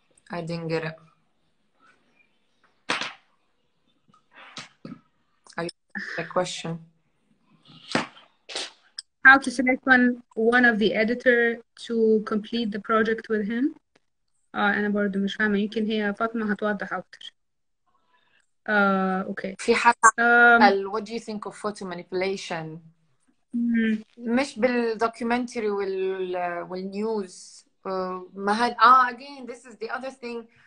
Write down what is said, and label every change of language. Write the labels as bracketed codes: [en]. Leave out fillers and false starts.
[en] I didn't get it. I got a question. How to select one of the editor to complete the project with him? [ar] أنا برضو مش فاهمة, يمكن هي فاطمة هتوضح أكتر. Okay. في حد قال [en] what do you think of photo manipulation? [ar] مش بالدوكيومنتري والنيوز. ما هل [en] again this is the other thing.